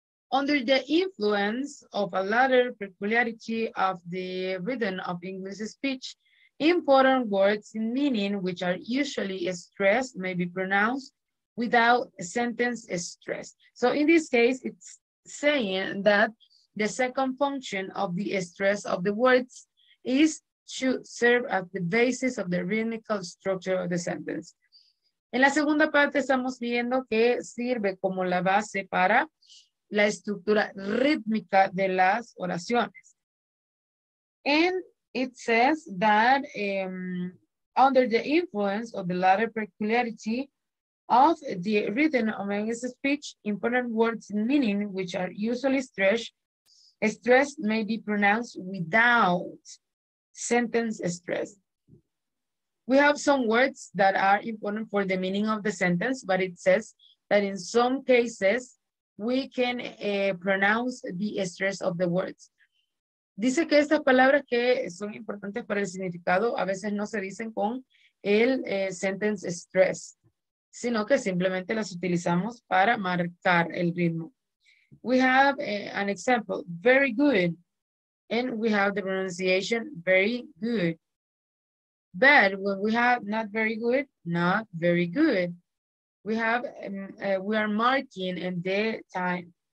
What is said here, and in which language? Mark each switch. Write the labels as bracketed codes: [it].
[en] Under the influence of a latter peculiarity of the rhythm of English speech, important words in meaning which are usually stressed may be pronounced without sentence stress. So in this case, it's saying that the second function of the stress of the words is to serve as the basis of the rhythmical structure of the sentence. [es] En la segunda parte estamos viendo que sirve como la base para la estructura rítmica de las oraciones. [en] And it says that under the influence of the latter peculiarity of the written American speech, important words and meaning, which are usually stressed may be pronounced without sentence stress. We have some words that are important for the meaning of the sentence, but it says that in some cases, we can pronounce the stress of the words. [es] Dice que estas palabras que son importantes para el significado a veces no se dicen con el sentence stress, sino que simplemente las utilizamos para marcar el ritmo. [en] We have an example, very good. And we have the pronunciation, very good. But when we have not very good, not very good. We have, we are marking in the time.